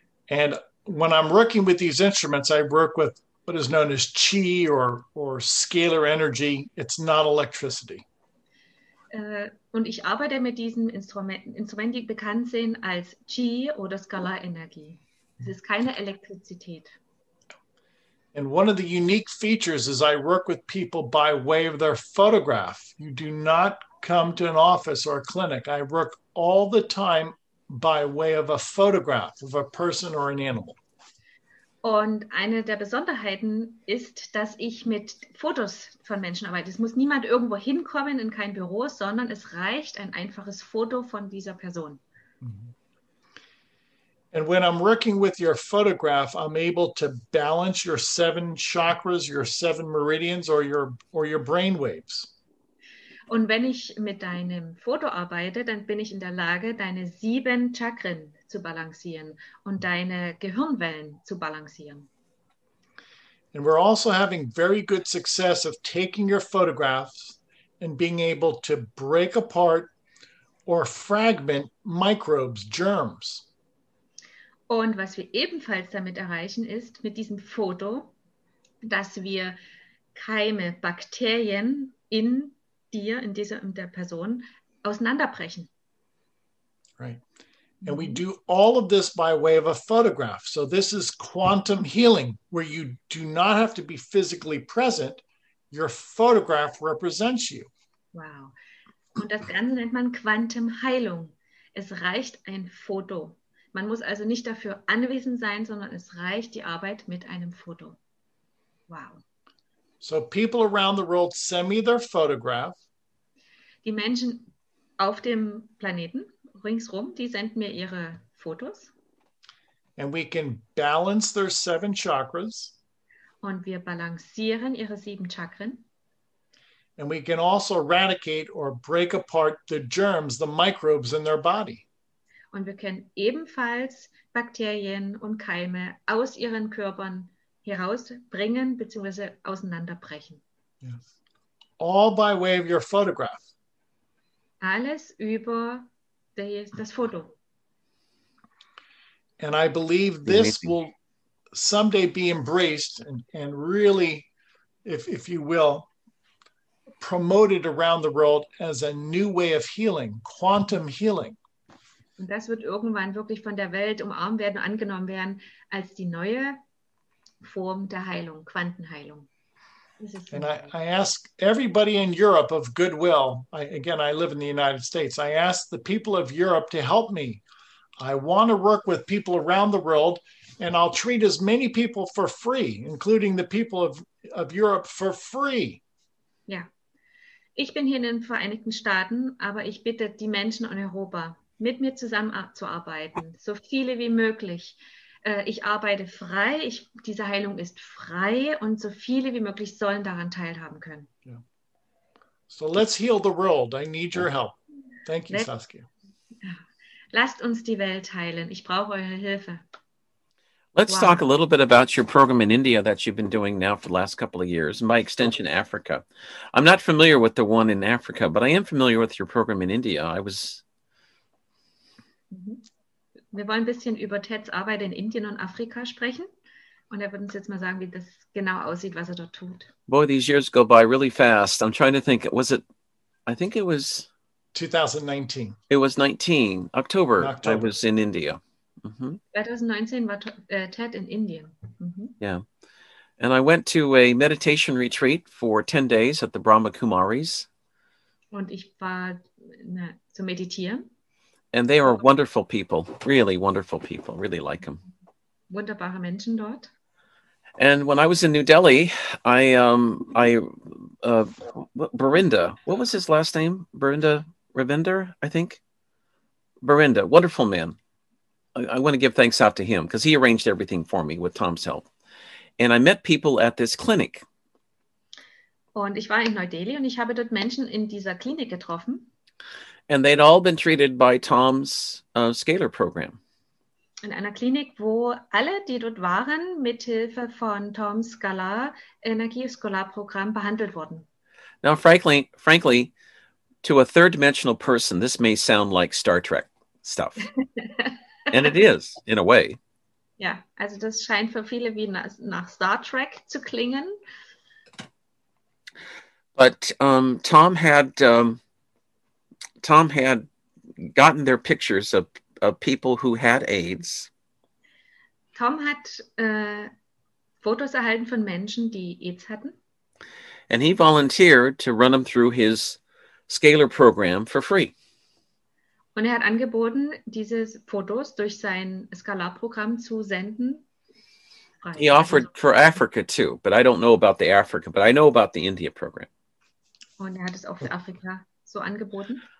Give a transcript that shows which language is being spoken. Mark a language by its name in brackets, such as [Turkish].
[English] And when I'm working with these instruments, I work with what is known as chi or scalar energy. It's not electricity. [German] Und ich arbeite mit diesen Instrumenten, die bekannt sind als chi oder Skalarenergie. Es ist keine Elektrizität. [English] And one of the unique features is I work with people by way of their photograph. You do not come to an office or a clinic. I work all the time by way of a photograph of a person or an animal. [German] Und eine der Besonderheiten ist, dass ich mit Fotos von Menschen arbeite. Es muss niemand irgendwo hinkommen in kein Büro, sondern es reicht ein einfaches Foto von dieser Person. [English] And when I'm working with your photograph, I'm able to balance your seven chakras, your seven meridians or your brain waves. [German] Und wenn ich mit deinem Foto arbeite, dann bin ich in der Lage, deine sieben Chakren zu balancieren und deine Gehirnwellen zu balancieren. [English] And we're also having very good success of taking your photographs and being able to break apart or fragment microbes, germs. [German] Und was wir ebenfalls damit erreichen, ist mit diesem Foto, dass wir Keime, Bakterien in dir, in dieser, in der Person auseinanderbrechen. [English] Right. And we do all of this by way of a photograph. So this is quantum healing, where you do not have to be physically present. Your photograph represents you. [German] Wow. Und das Ganze nennt man Quantum Heilung. Es reicht ein Foto. Man muss also nicht dafür anwesend sein, sondern es reicht die Arbeit mit einem Foto. Wow. [English] So people around the world send me their photograph. [German] Die Menschen auf dem Planeten ringsrum, die senden mir ihre Fotos. [English] And we can balance their seven chakras. [German] Und wir balancieren ihre sieben Chakren. [English] And we can also eradicate or break apart the germs, the microbes in their body. [German] Und wir können ebenfalls Bakterien und Keime aus ihren Körpern herausbringen bzw. auseinanderbrechen. [English] Yes. All by way of your photograph. [German] Alles über das Foto. [English] And I believe this will someday be embraced and really, if you will, promoted around the world as a new way of healing, quantum healing. [German] Und das wird irgendwann wirklich von der Welt umarmt werden, angenommen werden als die neue Form der Heilung, Quantenheilung. [English] And I ask everybody in Europe of goodwill, I live in the United States, I ask the people of Europe to help me. I want to work with people around the world and I'll treat as many people for free, including the people of Europe for free. [German] Ja, ich bin hier in den Vereinigten Staaten, aber ich bitte die Menschen in Europa, mit mir zusammenzuarbeiten, so viele wie möglich. Ich arbeite frei, diese Heilung ist frei und so viele wie möglich sollen daran teilhaben können. [English] Yeah. So let's heal the world. I need your help. Thank you, Saskia. [German] Lasst uns die Welt heilen. Ich brauche eure Hilfe. [English] Let's talk a little bit about your program in India that you've been doing now for the last couple of years, and by extension, Africa. I'm not familiar with the one in Africa, but I am familiar with your program in India. [German] Wir wollen ein bisschen über Teds Arbeit in Indien und Afrika sprechen. Und er wird uns jetzt mal sagen, wie das genau aussieht, was er dort tut. [English] Boy, these years go by really fast. I'm trying to think, was it, I think it was... 2019. It was 19, October, I was in India. [German] Mm-hmm. 2019 war Ted in Indien. [English] Mm-hmm. Yeah. And I went to a meditation retreat for 10 days at the Brahma Kumaris. [German] Und ich war zu meditieren. [English] And they are wonderful people, really wonderful people, really like them. [German] Wunderbare Menschen dort. [English] And when I was in New Delhi, Barinda, what was his last name? Barinda Ravinder, I think. Barinda, wonderful man. I want to give thanks out to him because he arranged everything for me with Tom's help. And I met people at this clinic. [German] Und ich war in Neu-Delhi und ich habe dort Menschen in dieser Klinik getroffen. [English] And they'd all been treated by Tom's Scalar program. [German] In einer Klinik, wo alle, die dort waren, mit Hilfe von Tom's Scalar Energieskalarprogramm behandelt wurden. [English] Now frankly to a third dimensional person, this may sound like Star Trek stuff. And it is in a way. [German] Ja, also das scheint für viele wie nach Star Trek zu klingen. [English] But Tom had gotten their pictures of people who had AIDS. [German] Tom hat Fotos erhalten von Menschen, die AIDS hatten. [English] And he volunteered to run them through his Scalar program for free. [German] Und hat angeboten, diese Fotos durch sein Scalar-Programm zu senden. [English] He offered for Africa too, but I don't know about the Africa, but I know about the India program. [German] Und hat es auch für Afrika so angeboten.